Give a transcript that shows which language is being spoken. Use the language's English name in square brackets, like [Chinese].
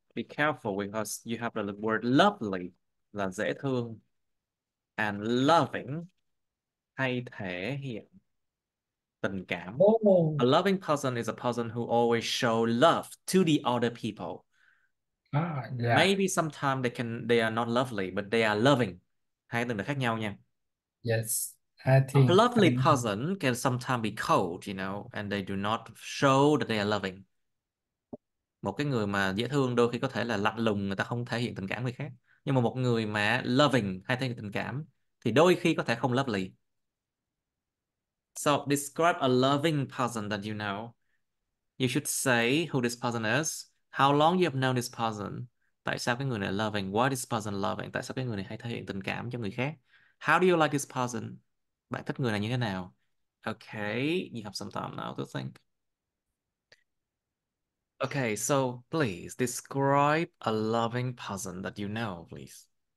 [English] Be careful because you have the word lovely, [Vietnamese] là dễ thương, [English] and loving, [Vietnamese] hay thể hiện tình cảm. Oh. [English] A loving person is a person who always show love to the other people. Ah, yeah. Maybe sometimes they are not lovely, but they are loving. [Vietnamese] Hai từ này khác nhau nha. [English] Yes, I think. A lovely person can sometimes be cold, you know, and they do not show that they are loving. [Vietnamese] Một cái người mà dễ thương đôi khi có thể là lạnh lùng, người ta không thể hiện tình cảm người khác. Nhưng mà một người mà loving, hay thể hiện tình cảm, thì đôi khi có thể không lovely. [English] So, describe a loving person that you know. You should say who this person is. How long you have known this person? [Vietnamese] Tại sao cái người này loving? [English] Why this person loving? [Vietnamese] Tại sao cái người này hay thể hiện tình cảm cho người khác? [English] How do you like this person? [Vietnamese] Bạn thích người này như thế nào? [English] Okay, you have some time now to think. Okay, so please describe a loving person that you know, please.